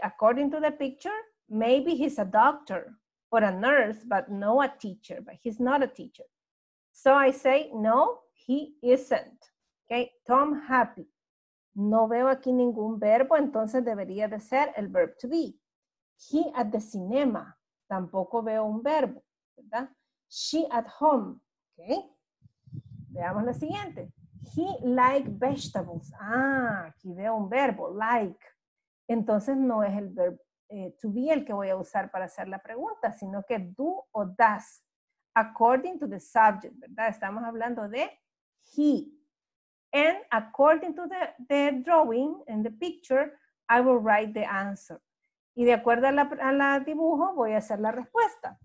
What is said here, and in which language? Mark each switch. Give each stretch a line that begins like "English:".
English: According to the picture, maybe he's a doctor or a nurse, but no a teacher, but he's not a teacher. So I say, no, he isn't. Okay, Tom happy.
Spanish: No veo aquí ningún verbo, entonces debería de ser el verb to be.
English: He at the cinema.
Spanish: Tampoco veo un verbo, ¿verdad?
English: She at home. Okay.
Spanish: Veamos la siguiente.
English: He like vegetables.
Spanish: Ah, aquí veo un verbo,
English: like.
Spanish: Entonces no es el verb to be el que voy a usar para hacer la pregunta, sino que do o does.
English: According to the subject,
Spanish: ¿verdad? Estamos hablando de he.
English: And according to the drawing and the picture, I will write the answer.
Spanish: Y de acuerdo a la dibujo, voy a hacer la respuesta.